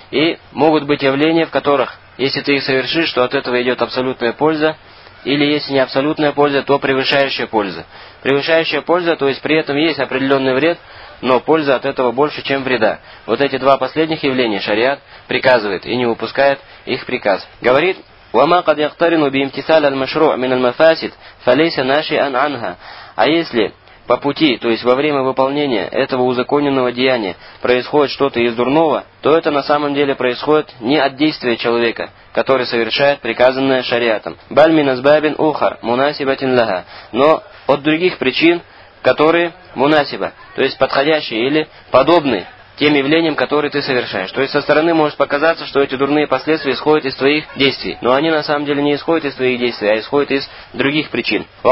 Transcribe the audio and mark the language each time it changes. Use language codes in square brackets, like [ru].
[ru] И могут быть явления, в которых, если ты их совершишь, то от этого идет абсолютная польза, или если не абсолютная польза, то превышающая польза. Превышающая польза, то есть при этом есть определенный вред, но польза от этого больше, чем вреда. Вот эти два последних явления шариат приказывает и не упускает их приказ. Говорит, [ar] وما قد يقترن بامتثال المشروع من المفاسد فليس ناشئا عنها. [ru] А если по пути, то есть во время выполнения этого узаконенного деяния, происходит что-то из дурного, то это на самом деле происходит не от действия человека, который совершает приказанное шариатом. [ar] بل من اسباب اخرى مناسبة لها. [ru] Но от других причин, которые мунасиба, то есть подходящие или подобные тем явлениям, которые ты совершаешь. То есть со стороны может показаться, что эти дурные последствия исходят из твоих действий. Но они на самом деле не исходят из твоих действий, а исходят из других причин.